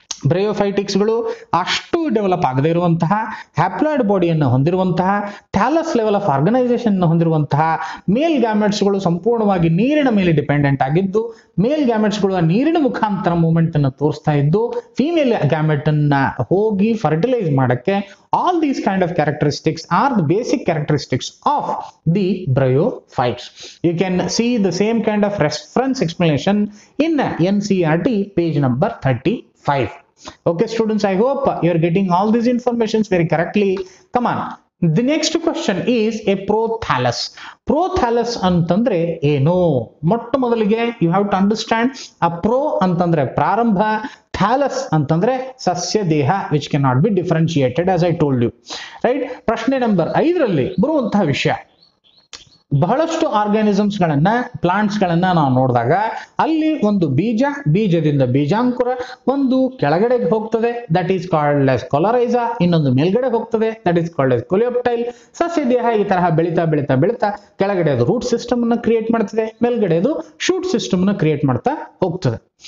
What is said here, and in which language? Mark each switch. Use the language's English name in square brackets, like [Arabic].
[Kannada] ಬ್ರಯೋಫೈಟಿಕ್ಸ್ಗಳು ಅಷ್ಟು ಡೆವಲಪ್ ಆಗದೇ ಇರುವಂತಹ, ಹ್ಯಾಪ್ಲಾಯ್ಡ್ ಬಾಡಿಯನ್ನು ಹೊಂದಿರುವಂತಹ, ಥ್ಯಾಲಸ್ ಲೆವೆಲ್ ಆಫ್ ಆರ್ಗನೈಸೇಷನ್ ಅನ್ನು ಹೊಂದಿರುವಂತಹ, ಮೇಲ್ ಗ್ಯಾಮೆಟ್ಸ್ಗಳು ಸಂಪೂರ್ಣವಾಗಿ ನೀರಿನ ಮೇಲೆ ಡಿಪೆಂಡೆಂಟ್ ಆಗಿದ್ದು, ಮೇಲ್ ಗ್ಯಾಮೆಟ್ಸ್ಗಳು ಆ ನೀರಿನ ಮುಖಾಂತರ ಮೂಮೆಂಟ್ ಅನ್ನು ತೋರಿಸ್ತಾ ಇದ್ದು, ಫೀಮೇಲ್ ಗ್ಯಾಮೆಟ್ ಅನ್ನ ಹೋಗಿ ಫರ್ಟಿಲೈಸ್ ಮಾಡಕ್ಕೆ, [English] All these kind of characteristics are the basic characteristics of the bryophytes. You can see the same kind of reference explanation in NCERT page number 35. Okay, students, I hope you are getting all these informations very correctly. Come on. The next question is a prothallus. [Kannada] Prothallus antandre eno? Motta modalige [English] you have to understand a pro [Kannada] antandre prarambha, [English] thallus [Kannada] antandre sasya deha, [English] which cannot be differentiated as I told you. [Kannada] Right? Prashne number 5 ralli baruvanta vishaya. ಬಹಳಷ್ಟು organisms ಗಳನ್ನ, plants ಗಳನ್ನ ನಾವು ನೋಡಿದಾಗ ಅಲ್ಲಿ ಒಂದು ಬೀಜ, ಬೀಜದಿಂದ ಬೀಜಾಂಕುರ, ಒಂದು ಕೆಳಗಡೆಗೆ ಹೋಗ್ತದೆ [English] that is called as coleorhiza, [Kannada] ಇನ್ನೊಂದು ಮೇಲ್ಗಡೆ ಹೋಗ್ತದೆ [English] That is called as coleoptile. [Kannada] ಸಸ್ಯ ದೇಹ ಈ ತರಹ ಬೆಳೀತಾ ಬೆಳೀತಾ ಬೆಳೀತಾ ಕೆಳಗಡೆ ಅದು ರೂಟ್ ಸಿಸ್ಟಮ್ ಅನ್ನ ಕ್ರಿಯೇಟ್ ಮಾಡ್ತದೆ, ಮೇಲ್ಗಡೆ ಅದು ಶೂಟ್ ಸಿಸ್ಟಮ್ ಅನ್ನ ಕ್ರಿಯೇಟ್ ಮಾಡ್ತಾ ಹೋಗ್ತದೆ.